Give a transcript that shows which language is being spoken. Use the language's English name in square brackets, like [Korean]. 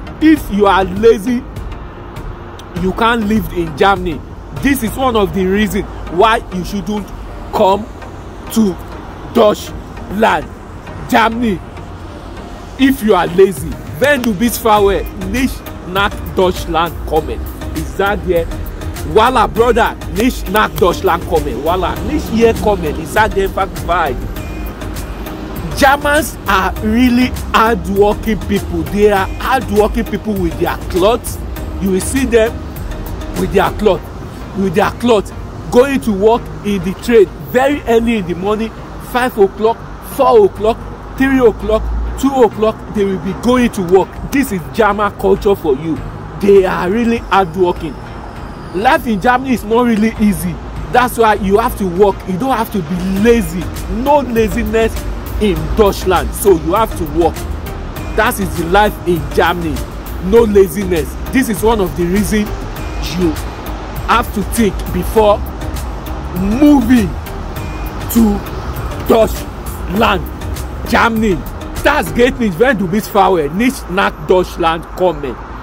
[English] If you are lazy, you can't live in Germany. This is one of the reasons why you shouldn't come to Deutschland, Germany, if you are lazy. [German] Wenn du bist faul, nicht nach Deutschland kommen. Ich sage dir, voila, Bruder, nicht nach Deutschland kommen. Voila, nicht hier kommen. Ich sage dir, fuck, bye. [English] Germans are really hardworking people. They are hardworking people with their clothes. You will see them with their clothes. With their clothes, going to work in the trade very early in the morning, 5 o'clock, 4 o'clock, 3 o'clock, 2 o'clock, they will be going to work. This is German culture for you. They are really hardworking. Life in Germany is not really easy. That's why you have to work. You don't have to be lazy. No laziness in Deutschland. So you have to work. That is the life in Germany. No laziness. This is one of the reasons you have to think before moving to Deutschland, Germany. [German] Das geht nicht, wenn du bist faul, nicht nach Deutschland kommen.